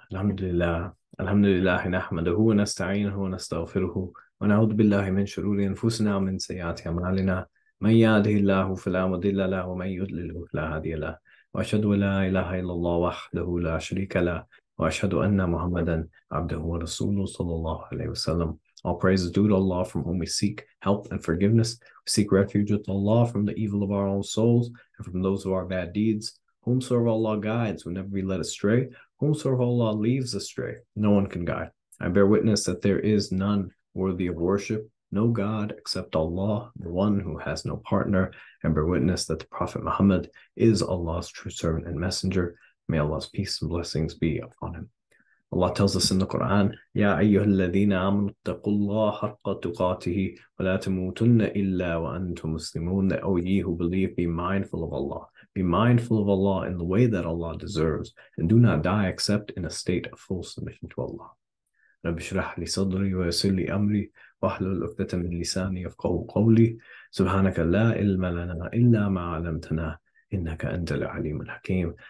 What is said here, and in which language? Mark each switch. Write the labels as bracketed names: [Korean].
[Arabic] الحمد لله، الحمد لله نحمده ونستعينه ونستغفره ونعوذ بالله من شرور أنفسنا ومن سيئات أعمالنا. من يهده الله فلا مضل له ومن يضلل فلا هادي له. وأشهد أن لا إله إلا الله وحده لا شريك له، وأشهد أن محمدا عبده ورسوله صلى الله عليه وسلم. [English] All praise is due to Allah from whom we seek help and forgiveness. We seek refuge with Allah from the evil of our own souls and from those of our bad deeds. Whomsoever Allah guides will never be led astray. Whomsoever Allah leaves astray, no one can guide. I bear witness that there is none worthy of worship, no God except Allah, the one who has no partner. And bear witness that the Prophet Muhammad is Allah's true servant and messenger. May Allah's peace and blessings be upon him. Allah tells us in the Quran, [Arabic] يَا أَيُّهَا الَّذِينَ آمَنُوا اتَّقُوا اللَّهَ حَقَّ تُقَاتِهِ وَلَا تَمُوتُنَّ إِلَّا وَأَنْتُمْ مُسْلِمُونَ. [English] That, O ye who believe, be mindful of Allah. Be mindful of Allah in the way that Allah deserves, and do not die except in a state of full submission to Allah. [Arabic] رَبِّ شُرَحْ لِي صَدْرِي وَيَسِرْ لِي أَمْرِي وَحْلُ الْأُقْدَةَ مِنْ لِسَانِي يَفْقَهُ قَوْلِي. سُبْحَانَكَ لَا إِلْمَ لَنَا إِلَّا مَا عَلَّمْتَنَا إِنَّكَ أَنْتَ الْعَلِيمُ الْحَكِيمُ.